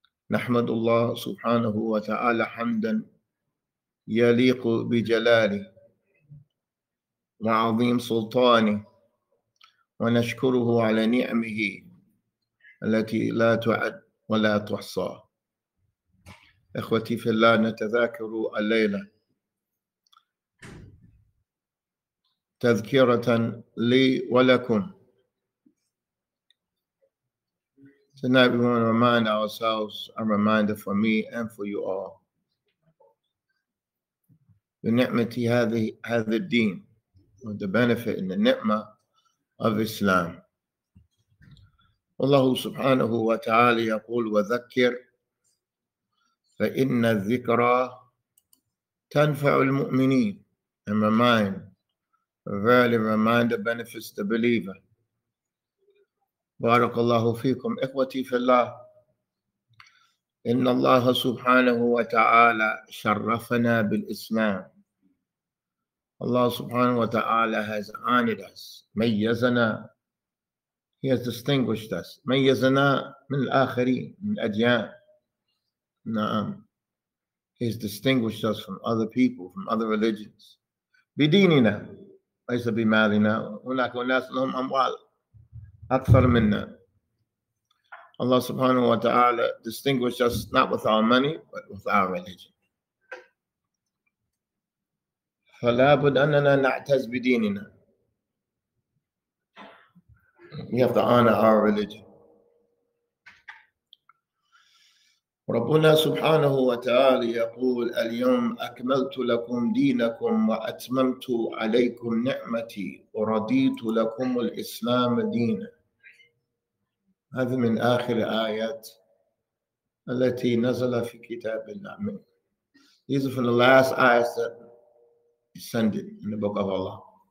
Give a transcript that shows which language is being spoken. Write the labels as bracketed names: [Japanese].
[Arabic] نحمد الله سبحانه وتعالى حمدًا يليق بجلاله وعظيم سلطانه، ونشكره على نعمه التي لا تعد ولا تحصى. إخوتي في الله، نتذاكر الليلة تذكرة لي ولكم. [English] Tonight we want to remind ourselves, a reminder for me and for you all. [Arabic] بنعمة هذا الدين, [English] with the benefit and the ni'ma of Islam. [Arabic] والله سبحانه وتعالى يقول وذكر فإن الذكرى تنفع المؤمنين. [English] And remind, verily remind the benefits the believer. [Arabic] بارك الله فيكم إخوتي في الله. إن الله سبحانه وتعالى شرفنا بالإسلام. الله سبحانه وتعالى [English] has honored us, [Arabic] ميزنا. [English] He has distinguished us. [Arabic] ميزنا من الآخرين, من الأديان. نعم. [English] He has distinguished us from other people, from other religions. [Arabic] بديننا. ليس بمالنا. هناك الناس لهم أموال أكثر منا. [English] Allah subhanahu wa ta'ala distinguished us not with our money, but with our religion. [Arabic] فلابد أننا نعتز بديننا. [English] We have to honor our religion. [Arabic] ربنا سبحانه وتعالى يقول اليوم أكملت لكم دينكم وأتممت عليكم نعمتي ورضيت لكم الإسلام دينا. هذا من آخر آيات التي نزل في كتاب الله. [English] These are from the last ayahs that descended in the book of Allah.